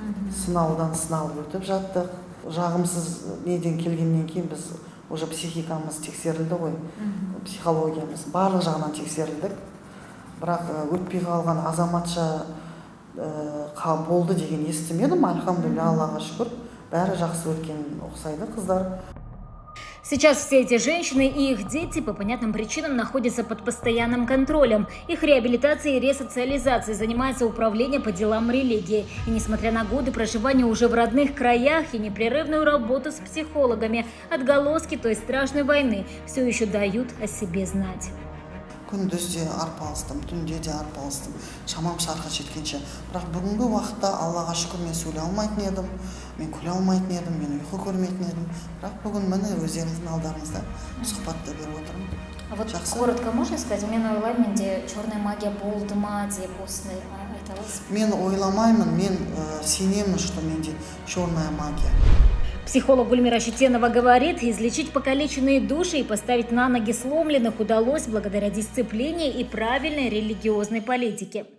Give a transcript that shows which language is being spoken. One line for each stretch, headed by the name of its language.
Kazakh: Сынаудан сынау өтіп жаттық. Жағымсыз неден келгеннен кейін біз уже психикамыз тексерілді ғой, психологиямыз барлық жағынан тексерілдік. Бірақ өтпей қалған азаматша болды деген естімедім, альхамдулилля, Аллаға шүкір, бәрі жақсы өткен оқсайды қыздар.
Russian: Сейчас все эти женщины и их дети по понятным причинам находятся под постоянным контролем. Их реабилитацией и ресоциализацией занимается управление по делам религии. И несмотря на годы проживания уже в родных краях и непрерывную работу с психологами, отголоски той страшной войны все еще дают о себе знать.
Kazakh: Күндізде арпалыстым, түндеде арпалыстым, шамам шарқы жеткенше. Бірақ бүгінгі уақытта Аллаға шүкір мен сөйле алмайтын едім, мен күле алмайтын едім, мен ұйқы көрмейтін едім. Бірақ бүгін мені өздеріңіздің алдарыңызда сұхбатты беріп отырмын.
Russian: А вот
Kazakh: жақсы?
Russian: Коротко можно сказать,
Kazakh: мен ойлай менде
Russian: черная магия
Kazakh: болды ма деп осындай айталыз? Мен ойламаймын, мен сенемін,
Russian: что менде черная магия. Психолог Гульмира Щетенова говорит, излечить покалеченные души и поставить на ноги сломленных удалось благодаря дисциплине и правильной религиозной политике.